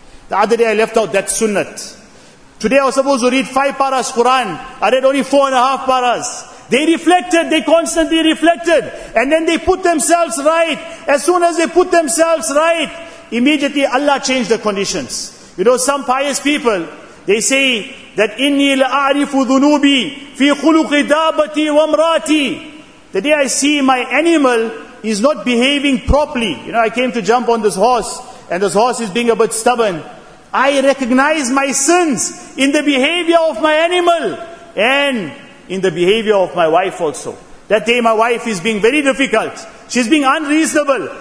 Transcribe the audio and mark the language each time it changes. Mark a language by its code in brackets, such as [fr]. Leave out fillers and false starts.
[en] The other day, I left out that sunnat. Today, I was supposed to read 5 paras Quran. I read only 4.5 paras. They reflected, they constantly reflected. And then they put themselves right. As soon as they put themselves right, immediately Allah changed the conditions. You know, some pious people, they say, that [ar] إِنِّي لَأَعْرِفُ ذُنُوبِي فِي خُلُقِ دَابَتِي وَمْرَاتِي. [en] The day I see my animal is not behaving properly. You know, I came to jump on this horse, and this horse is being a bit stubborn. I recognize my sins in the behavior of my animal and in the behavior of my wife also. That day my wife is being very difficult. She's being unreasonable.